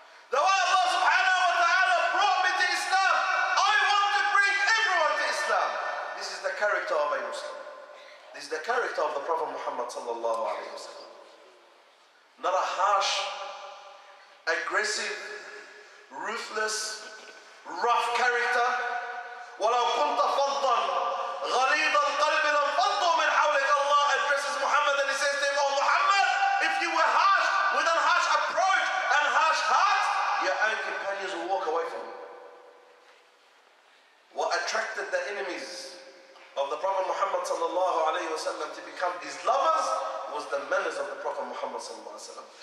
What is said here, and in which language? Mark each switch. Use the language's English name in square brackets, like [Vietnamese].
[English] The way Allah subhanahu wa ta'ala brought me to Islam, I want to bring everyone to Islam. This is the character of a Muslim. This is the character of the Prophet Muhammad sallallahu alayhi wa sallam. Not a harsh, aggressive, ruthless, rough character. [Arabic] ولو كنت فظا غليظ القلب لانفضوا من حولك. [English] Allah addresses Muhammad and he says to him, oh Muhammad, if you were harsh with a harsh approach and harsh heart, your own companions will walk away from you. What attracted the enemies of the Prophet Muhammad sallallahu alayhi wa sallam to become his lovers was the manners of the Prophet Muhammad sallallahu alayhi wa sallam.